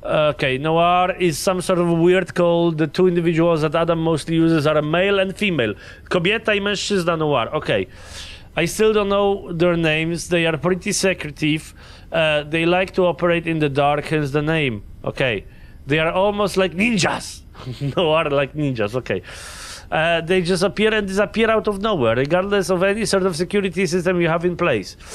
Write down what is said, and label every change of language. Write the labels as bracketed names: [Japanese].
[English] Okay, Noir is some sort of weird call. The two individuals that Adam mostly uses are male and female. [Polish] Kobieta i mężczyzna Noir, okay. [English] I still don't know their names. They are pretty secretive. They like to operate in the dark, hence the name. Okay. They are almost like ninjas. Noir like ninjas, okay. They just appear and disappear out of nowhere, regardless of any sort of security system you have in place.